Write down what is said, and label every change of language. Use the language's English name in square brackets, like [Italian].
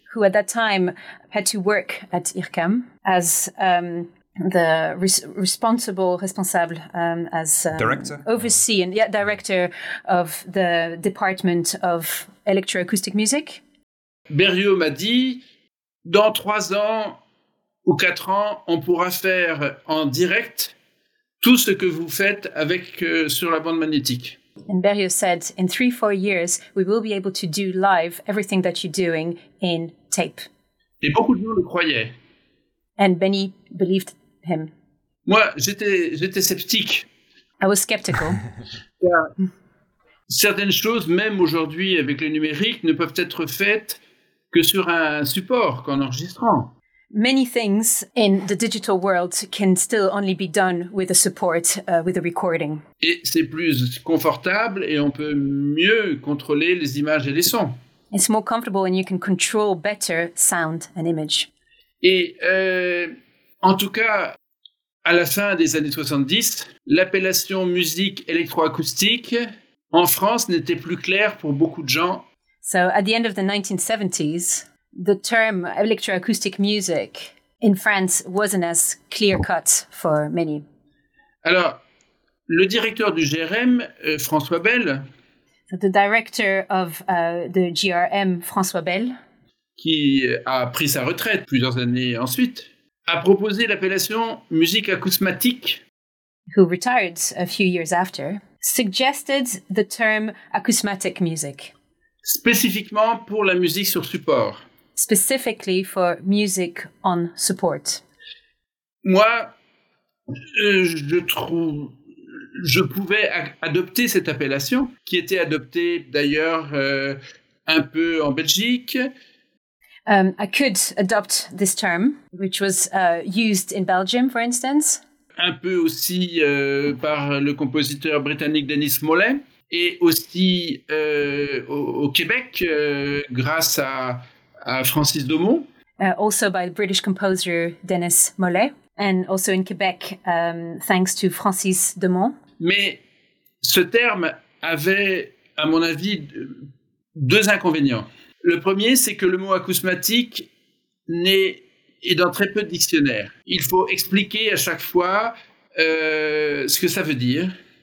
[English] Who at that time had to work at IRCAM as the responsible as director, overseer, and director of the Department of Electroacoustic Music. [French] Berio m'a dit, dans 3 ans ou 4 ans, on pourra faire en direct tout ce que vous faites avec sur la bande magnétique. [English] And Berio said, in 3-4 years, we will be able to do live everything that you're doing in tape. [French] Et beaucoup de gens le croyaient. [English] And Benny believed him. [French] Moi, j'étais sceptique. [English] I was skeptical. [French] Certaines choses, même aujourd'hui avec le numérique, ne peuvent être faites que sur un support, qu'en enregistrant. [English] Many things in the digital world can still only be done with a support, with a recording. [French] Et c'est plus confortable et on peut mieux contrôler les images et les sons. [English] It's more comfortable and you can control better sound and image. [French] Et en tout cas, à la fin des années 70, l'appellation musique électroacoustique en France n'était plus claire pour beaucoup de gens. [English] So, at the end of the 1970s, the term electroacoustic music in France wasn't as clear-cut for many. [French] Alors, le directeur du GRM, François Bell. [English] So, the director of the GRM, François Bell. [French] Qui a pris sa retraite plusieurs années ensuite. A proposé l'appellation musique acousmatique. [English] Who retired a few years after, suggested the term acousmatic music. [French] Spécifiquement pour la musique sur support. [English] Specifically for music on support. [French] Moi, je pouvais adopter cette appellation, qui était adoptée d'ailleurs un peu en Belgique. [English] I could adopt this term, which was used in Belgium, for instance. [French] Un peu aussi par le compositeur britannique Denis Mollet, et aussi au Québec, grâce à Francis Daumont. [English] Also by the British composer Denis Mollet, and also in Quebec, thanks to Francis Daumont. [French] Mais ce terme avait, à mon avis, deux inconvénients. Le premier, c'est que le mot acousmatique est dans très peu de dictionnaires. Il faut expliquer à chaque fois ce que ça veut dire.